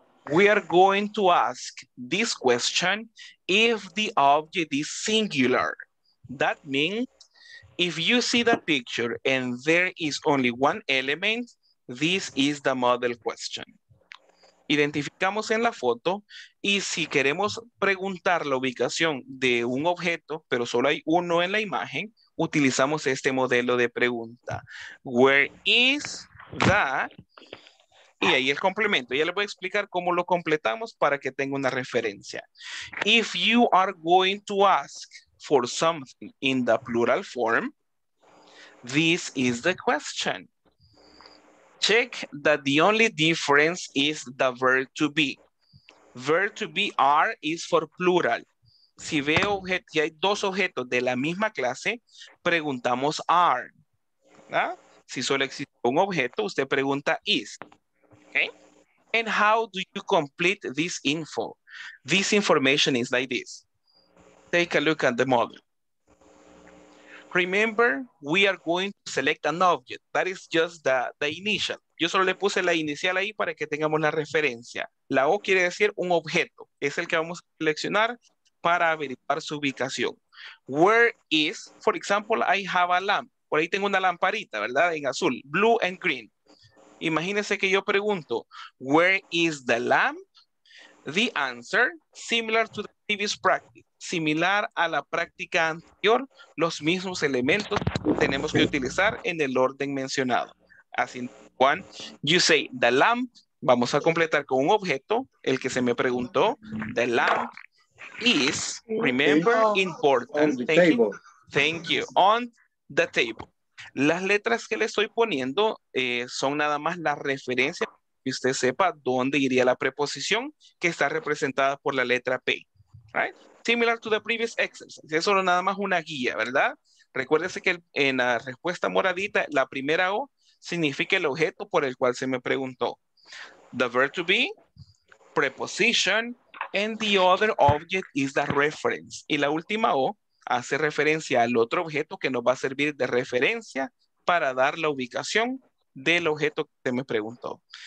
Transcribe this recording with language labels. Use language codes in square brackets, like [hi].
[en] We are going to ask this question if the object is singular. That means if you see the picture and there is only one element, this is the model question. [es] Identificamos en la foto y si queremos preguntar la ubicación de un objeto, pero solo hay uno en la imagen, utilizamos este modelo de pregunta. [en] Where is the... [es] Y ahí el complemento. Ya les voy a explicar cómo lo completamos para que tenga una referencia. [en] If you are going to ask for something in the plural form, this is the question. Check that the only difference is the verb to be. Verb to be are is for plural. [es] Si veo objeto, si hay dos objetos de la misma clase, preguntamos are. ¿Ah? Si solo existe un objeto, usted pregunta is. [en] Okay, and how do you complete this info? This information is like this. Take a look at the model. Remember, we are going to select an object. That is just the initial. [es] Yo solo le puse la inicial ahí para que tengamos la referencia. La O quiere decir un objeto. Es el que vamos a seleccionar para averiguar su ubicación. [en] Where is, for example, I have a lamp. [es] Por ahí tengo una lamparita, ¿verdad? En azul, [en] blue and green. [es] Imagínense que yo pregunto, [en] where is the lamp? The answer, similar to the previous practice. [es] Similar a la práctica anterior, los mismos elementos tenemos que utilizar en el orden mencionado. Así, Juan, [en] you say the lamp, [es] vamos a completar con un objeto, el que se me preguntó, [en] the lamp is, remember, important. On the table. Thank you, on the table. [es] Las letras que le estoy poniendo son nada más la referencia, que usted sepa dónde iría la preposición que está representada por la letra P, [en] right? Similar to the previous exercise. [es] Es solo nada más una guía, ¿verdad? Recuérdese que en la respuesta moradita, la primera O significa el objeto por el cual se me preguntó. [en] The verb to be, preposition, and the other object is the reference. [es] Y la última O hace referencia al otro objeto que nos va a servir de referencia para dar la ubicación del objeto que se me preguntó.